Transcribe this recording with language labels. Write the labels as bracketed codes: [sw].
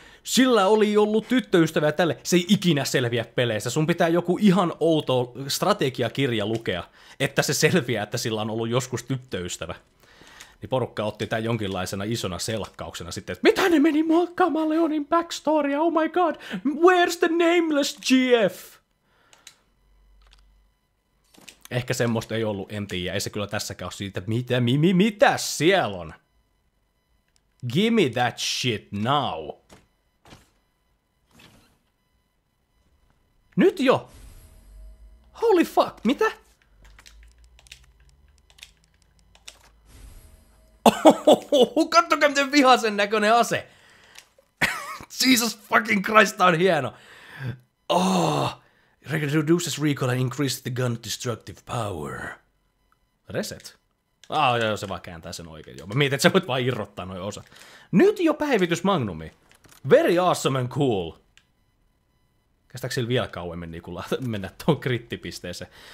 [fi] Sillä oli ollut tyttöystävä tälle. Se ei ikinä selviä peleissä. Sun pitää joku ihan outo strategiakirja lukea, että se selviää, että sillä on ollut joskus tyttöystävä. Niin porukka otti tämän jonkinlaisena isona selkkauksena sitten, että mitä ne meni muokkaamaan Leonin backstoria? [en] Oh my god, where's the nameless GF? [fi] Ehkä semmoista ei ollut, en tiedä. Ei se kyllä tässäkään ole siitä, mitä siellä on? [en] Give me that shit now. [fi] Nyt jo! [en] Holy fuck, [fi] mitä? Ohohoho, kattokaa miten vihaisen näköinen ase! [en] Jesus fucking Christ, [fi] tää on hieno! [en] Oh, reduces recoil and increases the gun destructive power. Reset? [fi] Ah, joo, se vaan kääntää sen oikein. Joo, mä mietin, että sä voit vaan irrottaa noin osat. Nyt jo päivitys magnumi. [en] Very awesome and cool. [fi] Kestääkö sillä vielä kauemmin niin mennä tuon krittipisteeseen?